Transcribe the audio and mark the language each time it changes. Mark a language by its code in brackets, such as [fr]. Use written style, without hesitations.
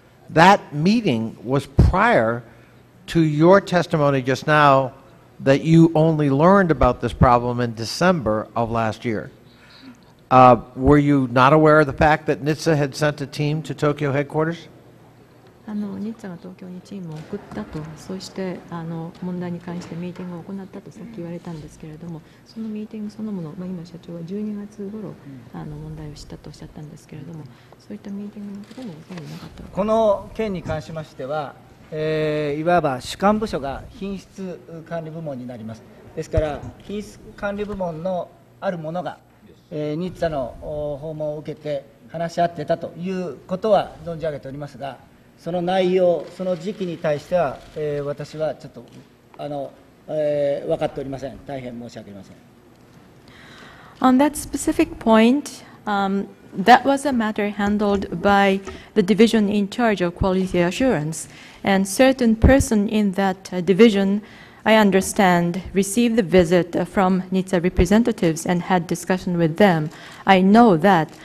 [en] That meeting was prior to your testimony just now that you only learned about this problem in December of last year. Were you not aware of the fact that NHTSA had sent a team to Tokyo headquarters? [ja] NHTSA が東京にチームを送ったと、そして問題に関してミーティングを行ったとさっき言われたんですけれども、そのミーティングそのもの、今社長は12月頃問題を知ったとおっしゃったんですけれども、そういったミーティングのことも分かりなかった。この件に関しましては、いわば主管部署が品質管理部門になります。ですから品質管理部門のある者が、NHTSA の訪問を受けて話し合ってたということは存じ上げておりますが、その内容、その時期に対しては、私はちょっと分かっておりません。大変申し訳ありません。 [en] On that specific point, that was a matter handled by the division in charge of quality assurance. And certain person in that division, I understand, received the visit from NHTSA representatives and had discussion with them. I know that.